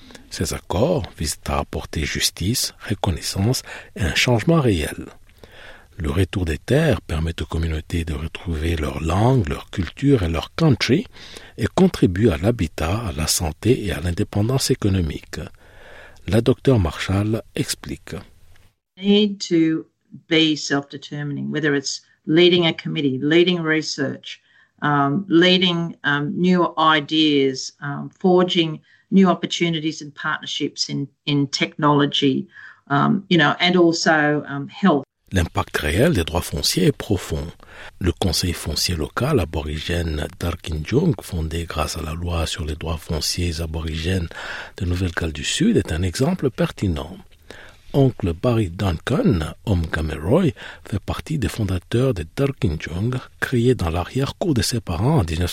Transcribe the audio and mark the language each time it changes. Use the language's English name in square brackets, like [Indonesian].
[French] Ces accords visent à apporter justice, reconnaissance et un changement réel. Le retour des terres permet aux communautés de retrouver leur langue, leur culture et leur country et contribue à l'habitat, à la santé et à l'indépendance économique. La docteure Marshall explique. [English] Need to be self-determining, whether it's leading a committee, leading research, leading new ideas, forging new opportunities and partnerships in technology, and also health. [French] L'impact réel des droits fonciers est profond. Le conseil foncier local aborigène Darkinjung, fondé grâce à la loi sur les droits fonciers aborigènes de Nouvelle-Galles du Sud, est un exemple pertinent. Oncle Barry Duncan, homme Gameroy, fait partie des fondateurs de Darkinjung, créé dans l'arrière-cour de ses parents en